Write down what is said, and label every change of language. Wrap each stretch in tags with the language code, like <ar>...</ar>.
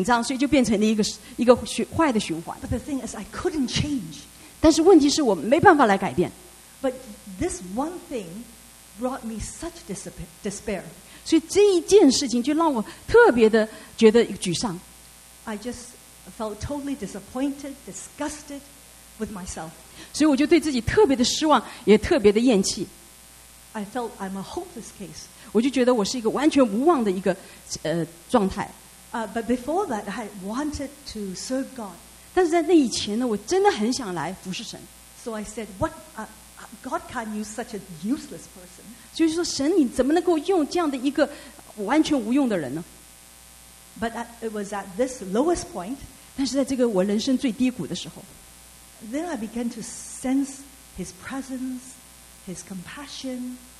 <zh>所以对我来说就是我越紧张我就吃得越多，吃得越多呢我就越紧张，所以就变成了一个坏的循环。</zh> <en>But the thing is, I couldn't change.</en> <zh>但是问题是我没办法来改变。</zh> <en>But this one thing brought me such despair.</en> <zh>所以这一件事情就让我特别的觉得沮丧。</zh> <en>I just felt totally disappointed, disgusted with myself.</en> <zh>所以我就对自己特别的失望，也特别的厌弃。</zh> <en>I felt I'm a hopeless case.</en> <zh>我就觉得我是一个完全无望的一个状态。</zh> <en>But before that, I wanted to serve God.</en> <zh>但是在那以前呢，我真的很想来服侍神。</zh> <en>So I said, "What? God can't use such a useless person."</en> <zh>就是说，神你怎么能够用这样的一个完全无用的人呢？</zh> <en>But it was at this lowest point.</en> <zh>但是在这个我人生最低谷的时候。</zh> <en>Then I began to sense His presence, His compassion.</en>